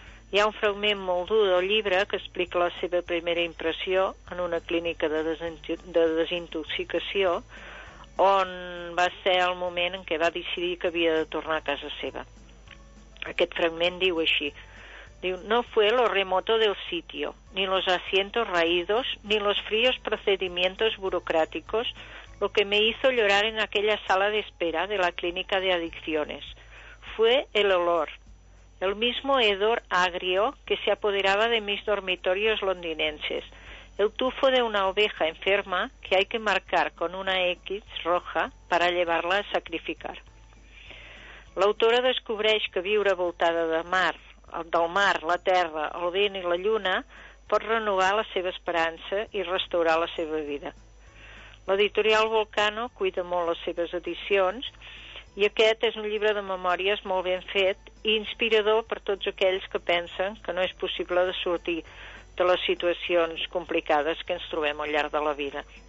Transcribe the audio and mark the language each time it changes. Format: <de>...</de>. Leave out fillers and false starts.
<ca>Hi ha un fragment molt dur del llibre que explica la seva primera impressió en una clínica de desintoxicació, on va ser el moment en què va decidir que havia de tornar a casa seva. Aquest fragment diu així.</ca> <es>Diu, no fue lo remoto del sitio, ni los asientos raídos, ni los fríos procedimientos burocráticos, lo que me hizo llorar en aquella sala de espera de la clínica de adicciones. Fue el olor, el mismo hedor agrio que se apoderaba de mis dormitorios londinenses, el tufo de una oveja enferma que hay que marcar con una X roja para llevarla a sacrificar.</es> <ca>L'autora descobreix que viure voltada de mar, del mar, la terra, el vent i la lluna pot renovar la seva esperança i restaurar la seva vida. L'editorial Volcano cuida molt les seves edicions i aquest és un llibre de memòries molt ben fet i inspirador per tots aquells que pensen que no és possible de sortir de les situacions complicades que ens trobem al llarg de la vida.</ca>